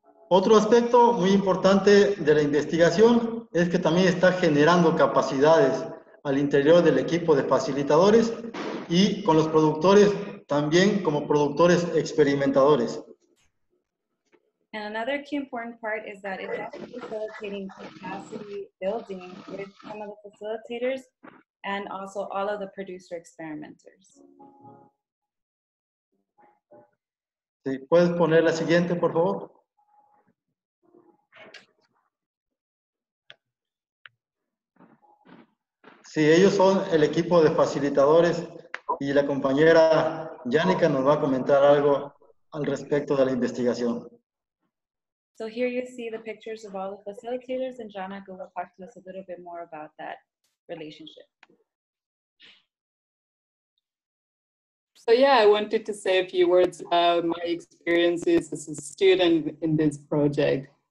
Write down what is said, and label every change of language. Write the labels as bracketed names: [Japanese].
[Spanish] Otro aspecto muy importante de la investigación es que también está generando capacidades al interior del equipo de facilitadores y con los productores también como productores experimentadores. [English] And another key important part is that it's actually facilitating capacity building with some of the facilitators and also all of the producer experimenters. [Spanish] Sí, ¿puedes poner la siguiente, por favor? Sí, ellos son el equipo de facilitadores y la compañera Janica nos va a comentar algo al respecto de la investigación. [English] So here you see the pictures of all the facilitators, and Janica will talk to us a little bit more about that relationship. So yeah, I wanted to say a few words about my experiences as a student in this project.